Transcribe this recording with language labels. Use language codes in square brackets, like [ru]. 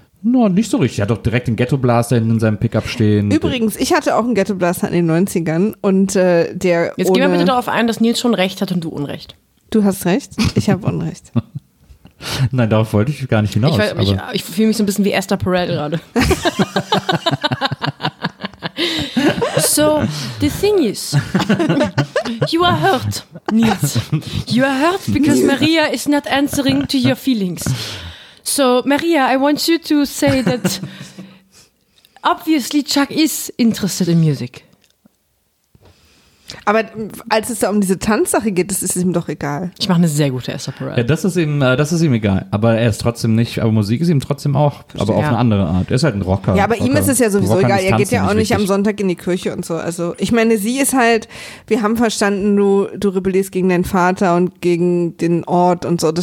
[de] No, nicht so richtig. Er hat doch direkt den Ghetto Blaster in seinem Pickup stehen. Übrigens, ich hatte auch einen Ghetto Blaster in den 90ern und der jetzt gehen wir bitte darauf ein, dass Nils schon recht hat und du Unrecht. Du hast recht, ich habe Unrecht. Nein, darauf wollte ich gar nicht hinaus. Ich fühle mich so ein bisschen wie Esther Perel gerade. [en] So, the thing is, you are hurt, Nils. You are hurt because Maria is not answering to your feelings. So, Maria, I want you to say that obviously Chuck is interested in music. [de] Aber als es da um diese Tanzsache geht, das ist ihm doch egal. Ich mache eine sehr gute Aesop-Opera. Ja, das ist ihm egal. Aber er ist trotzdem nicht, aber Musik ist ihm trotzdem auch, aber auf eine andere Art. Er ist halt ein Rocker. Ja, aber ihm ist es ja sowieso egal. Er geht ja auch nicht am Sonntag in die Kirche und so. Also ich meine, sie ist halt, wir haben verstanden, du rebellierst gegen deinen Vater und gegen den Ort und so.